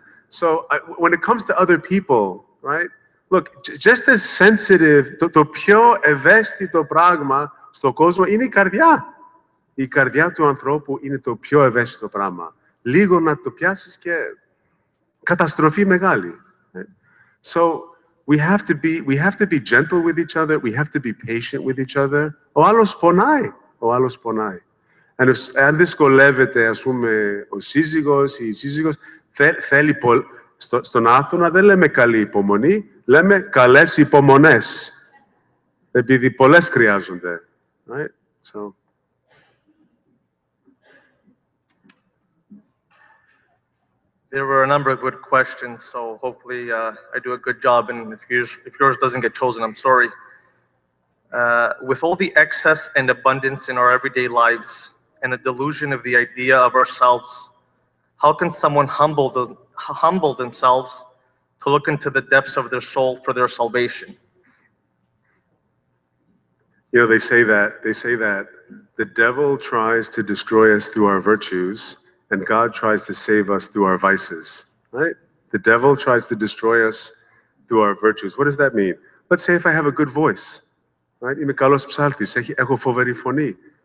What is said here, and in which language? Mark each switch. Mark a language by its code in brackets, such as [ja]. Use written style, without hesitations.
[en] So when it comes to other people, right? Look, just as sensitive, [el] το πιο ευαίσθητο πράγμα στο κόσμο είναι η καρδιά. Η καρδιά του ανθρώπου είναι το πιο ευαίσθητο πράγμα. Λίγο να το πιάσεις και καταστροφή μεγάλη. [en] So we have to be gentle with each other. We have to be patient with each other. [el] Ο άλλος πονάει. Ο άλλος πονάει. And αν δυσκολεύεται, ας πούμε, ο σύζυγος ή η σύζυγος, θέλει πολύ. Στον Άθωνα δεν λέμε καλή υπομονή, λέμε καλές υπομονές. Επειδή πολλές χρειάζονται. [en] Right? So. There were a number of good questions, so hopefully I do a good job. And if yours doesn't get chosen, I'm sorry. With all the excess and abundance in our everyday lives and the delusion of the idea of ourselves, how can someone humble themselves to look into the depths of their soul for their salvation? You know, they say that the devil tries to destroy us through our virtues, and God tries to save us through our vices, right? The devil tries to destroy us through our virtues. What does that mean? Let's say if I have a good voice, right? [el] Είμαι καλός ψάλτης, έχω φοβερή φωνή.